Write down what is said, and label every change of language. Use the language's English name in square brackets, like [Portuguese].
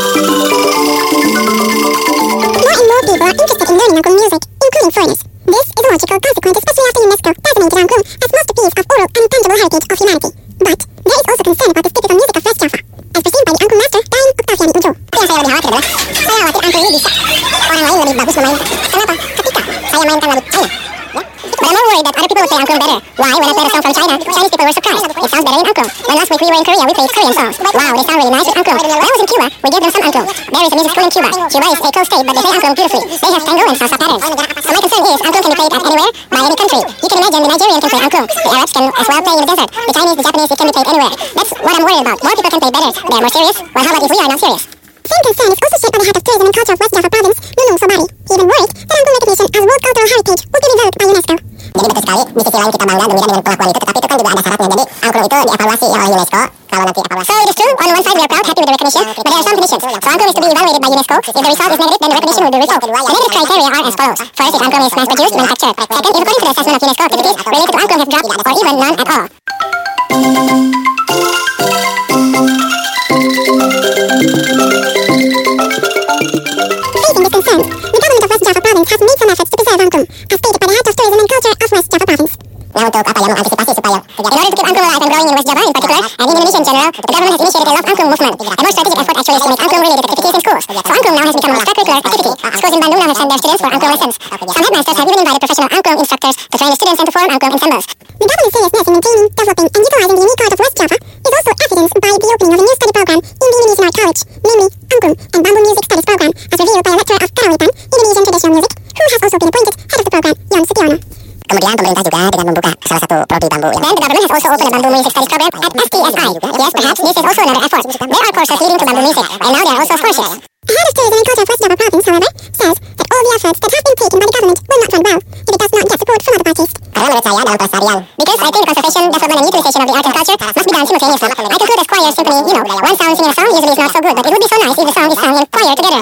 [English] People are interested in learning angklung music, including foreigners. This is a logical consequence, especially after UNESCO designated angklung as masterpiece of oral and tangible heritage of humanity. But there is also concern about the typical music of West Java, as perceived by the angklung master, Dayang Octavian Ujo. [Indonesian] Yang saya lebih khawatir adalah, saya khawatir angklung ini bisa. Orang lain lebih bagus memainkan. Kenapa? Ketika saya mainkan lagu China. [English] But I'm not worried that other people would play angklung better. Why? When I played a song from China, Chinese people were surprised. It sounds better in angklung. When last week we were in Korea, we played Korean songs. Wow, they sound really nice with angklung. When I was in Cuba, we gave them some angklung. There is a music school in Cuba. Cuba is a cool state, but they play angklung beautifully. They have tango and salsa patterns. So my concern is, angklung can be played at anywhere, by any country. You can imagine the Nigerian can play angklung. The Arabs can as well play in the desert. The Chinese, the Japanese, it can be played anywhere. That's what I'm worried about. More people can play better. They are more serious. Well, how about if we are not serious? Same concern is also shared by the head of tourism and culture of West Java Province, Nunung Sobari. He even worried that angklung recognition as World Cultural Heritage would be revoked by UNESCO. [Indonesian] Jadi betul sekali, di sisi lain kita bangga gembira dengan pengakuan itu, tetapi itu kan juga ada syaratnya. Jadi angklung itu dievaluasi oleh UNESCO. Kalau nanti evaluasi. [English] So it is true, on one side we are proud, happy with the recognition, but there are some conditions. So angklung is to be evaluated by UNESCO. If the result is negative, then the recognition will be revoked. The negative criteria are as follows. First, if angklung is mass-produced, manufactured. Second, if according to the assessment of UNESCO, activities related to angklung have dropped or even none at all. Facing this concern, the government of West Java Province has made some efforts to preserve angklung, as stated by the head of tourism and culture. [Indonesian] Palermo antisipasi supaya terjadi. [English] In order to keep Angklung alive and growing in West Java in particular, and in Indonesia in general, the government has initiated a Love Angklung movement. A more strategic effort actually is to make Angklung related activities in schools. So Angklung now has become an extracurricular activity. Schools in Bandung now have sent their students for Angklung lessons. Some headmasters have even invited professional Angklung instructors to train the students and to form Angklung ensembles. The government's seriousness in maintaining, developing, and utilizing the unique art of West Java is also evidenced by the opening of a new study program in the Indonesian Art College, namely Angklung and Bamboo Music Studies Program, as revealed by a lecturer of Karawitan, Indonesian Traditional Music, who has also been appointed head of the program, Yon Setiono. [Indonesian] Kemudian pemerintah juga dengan membuka salah satu prodi bambu yang [English] then the government has also opened a bamboo music studies program at STSI. Yes, perhaps this is also another effort. There are courses leading to bamboo music, and now there are also scholarships. The head of tourism and culture of West Java province, however, says that all the efforts that have been taken by the government will not run well if it does not get support from other parties. [Indonesian] Karena menurut saya dalam pelestarian, [English] because I think the conservation, development, and utilization of the art and culture must be done simultaneously. I conclude as choir symphony, you know, one sound singing a song usually is not so good, but it would be so nice if the song is sung in choir together.